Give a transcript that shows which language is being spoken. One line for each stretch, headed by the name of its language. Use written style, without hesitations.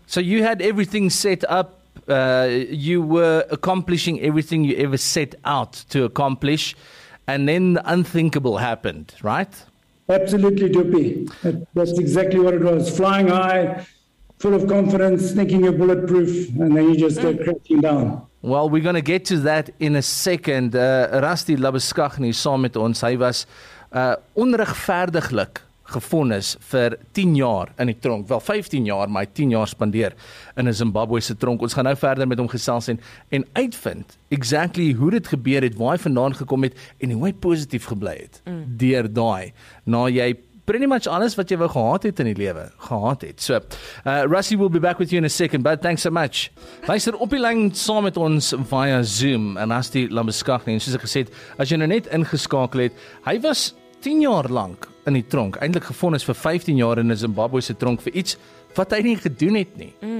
English: So you had everything set up. You were accomplishing everything you ever set out to accomplish, and then the unthinkable happened, right? Absolutely, Dupi. That's exactly what it was. Flying high, full of confidence, thinking you're bulletproof, and then you just go crashing down. Well, we're going to get to that in a second.
Afrikaans: Rusty Labuskaghni saam met ons. Hy was onregverdiglik gevonnis vir 10 jaar in die tronk. Wel, 15 jaar, maar hy 10 jaar spandeer in 'n Zimbabwese tronk. Ons gaan nou verder met hom gesels en uitvind exactly hoe dit gebeur het, waar hy vandaan gekom het en hoe hy positief gebly het deur daai. Nou jy
English: pretty much
Afrikaans: alles wat jy wou gehad het in die lewe gehad het.
English: So, Rusty will be back with you in a second, but thanks so much.
Afrikaans: Luister op die lyn saam met ons via Zoom en Rusty Labuskaghni. En soos ek gesê het, as jy nou net ingeskakel het, hy was 10 jaar lank in die tronk, eindelijk gevonnis vir 15 jaar in 'n Zimbabwese tronk vir iets wat hy nie gedoen het nie.